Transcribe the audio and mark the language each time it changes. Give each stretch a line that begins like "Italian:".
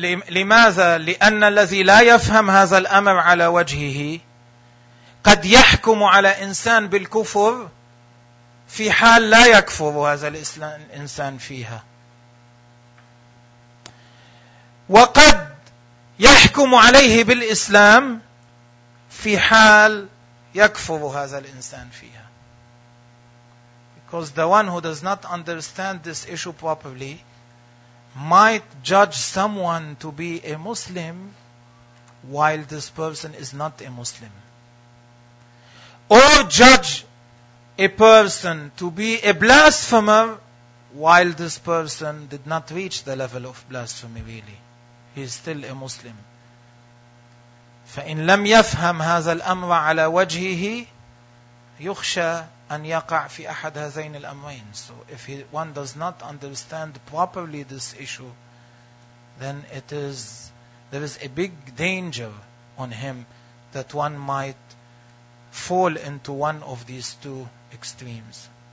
Arabic: لماذا؟ لأن الذي لا يفهم هذا الأمر على وجهه قد يحكم على إنسان بالكفر في حال لا يكفر هذا الإنسان فيها. وقد يحكم عليه بالإسلام في حال يكفر هذا الإنسان فيها.
English: Because the one who does not understand this issue properly might judge someone to be a Muslim while this person is not a Muslim. Or judge a person to be a blasphemer while this person did not reach the level of blasphemy really. He is still a Muslim.
Arabic: فإن لم يفهم هذا الأمر على وجهه يخشى أن يقع في أحد هذين الأمرين.
English: So if one does not understand properly this issue, then there is a big danger on him that one might fall into one of these two extremes.